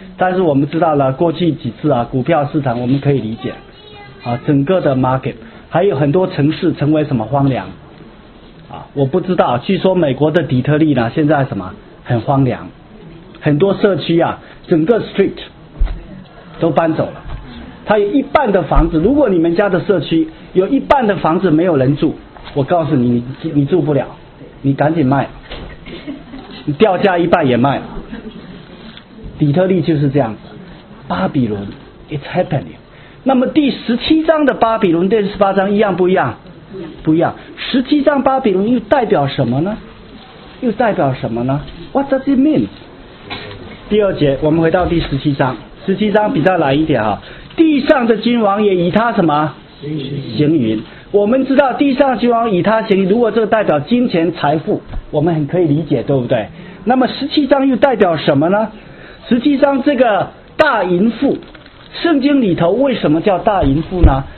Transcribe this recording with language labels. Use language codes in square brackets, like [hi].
[zh] 但是我们知道了过去几次啊，股票市场我们可以理解啊，整个的 market 还有很多城市成为什么荒凉啊，我不知道，据说美国的底特律呢现在什么很荒凉，很多社区啊整个 street 都搬走了，它有一半的房子，如果你们家的社区有一半的房子没有人住，我告诉你，你住不了，你赶紧卖，你掉价一半也卖。底特律就是这样子，巴比伦 ， [en] it's happening。 [zh] 那么第十七章的巴比伦，第十八章一样不一样？不一样。十七章巴比伦又代表什么呢？又代表什么呢 ？ [en] What does it mean？ [zh] 第二节，我们回到第十七章。十七章比较难一点啊。地上的君王也以他什么？行云。我们知道地上的君王以他行云，如果这个代表金钱财富，我们很可以理解，对不对？那么十七章又代表什么呢？实际上这个大淫妇，圣经里头为什么叫大淫妇呢？